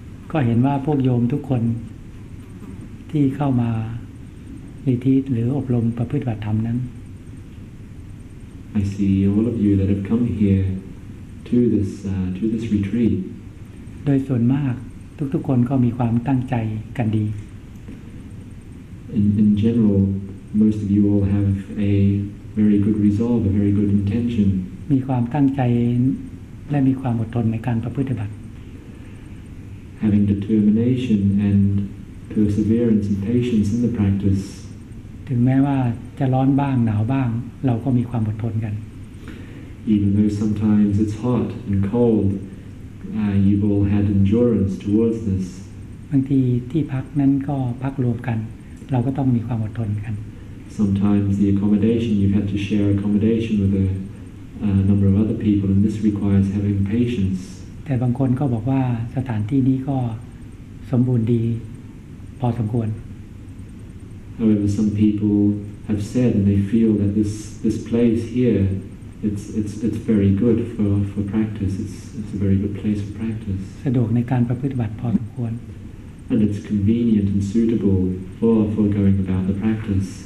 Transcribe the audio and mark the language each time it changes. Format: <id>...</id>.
<th>ก็เห็นว่าพวกโยมทุกคนที่เข้ามาในที่หรืออบรมประพฤติปฏิบัติธรรมนั้น</th> <en>I see all of you that have come here to this to this retreat</en> <th>โดยส่วนมากทุกๆคนก็มีความตั้งใจกันดี</th> <en>in generalMost of you all have a very good resolve, a very good intention.</en> <th>มีความตั้งใจและมีความอดทนในการประพฤติบัติ</th> <en>Having determination and perseverance and patience in the practice.</en> <th>ถึงแม้ว่าจะร้อนบ้างหนาวบ้างเราก็มีความอดทนกัน</th> <en>Even though sometimes it's hot and cold, you all had endurance towards this.</en> <th>บางทีที่พักนั้นก็พักรวมกันเราก็ต้องมีความอดทนกัน</th> <en>Sometimes the accommodation, you've had to share accommodation with a number of other people, and this requires having patience.</en> <th>แต่บางคนก็บอกว่าสถานที่นี้ก็สมบูรณ์ดีพอสมควร</th> <en>However, some people have said and they feel that this place here, it's very good for practice. It's a very good place for practice.</en> <th>สะดวกในการประพฤติปฏิบัติพอสมควร</th> <en>And it's convenient and suitable for going about the practice.</en>